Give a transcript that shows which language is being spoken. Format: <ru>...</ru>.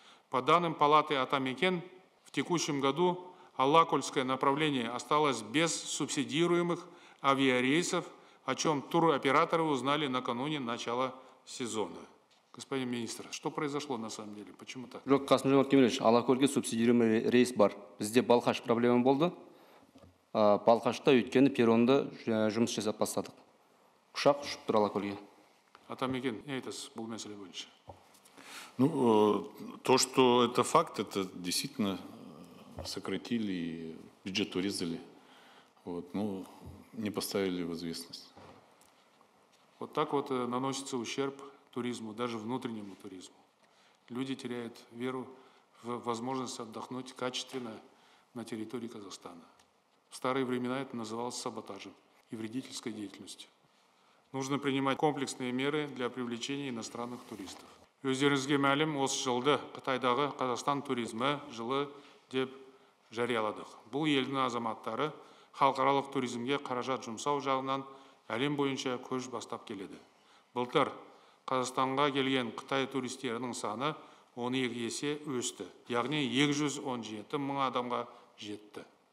<ru>По данным палаты Атамекен, в текущем году Алакульское направление осталось без субсидируемых авиарейсов, о чем туроператоры узнали накануне начала сезона. Господин министр, что произошло на самом деле? Почему так?</ru> <kk>Жок, Касым-Жомарт Кемелевич, Алакульге</kk> <ru>субсидируемый рейс</ru> <kk>бар. Бізде Балхаш проблема болды. Балхашта өткені перронда жұмыс жасап бастадық. Ұшақ ұшып тұр Алакульге. Атамекен, не айтасыз бұл мәселе бойынша?</kk> <ru>Ну, то, что это факт, это действительно сократили и бюджет урезали, вот, но не поставили в известность. Вот так вот наносится ущерб туризму, даже внутреннему туризму. Люди теряют веру в возможность отдохнуть качественно на территории Казахстана. В старые времена это называлось саботажем и вредительской деятельностью. Нужно принимать комплексные меры для привлечения иностранных туристов.</ru> <kk>Өздеріңізге мәлім, осы жылды Қытайдағы Қазақстан туризмі жылы деп жарияладық. Бұл елдің азаматтары халықаралық туризмге қаражат жұмсау жағынан әлем бойынша көш бастап келеді. Былтыр Қазақстанға келген Қытай туристерінің саны 12 есе өсті, яғни 217 мың адамға жетті.</kk>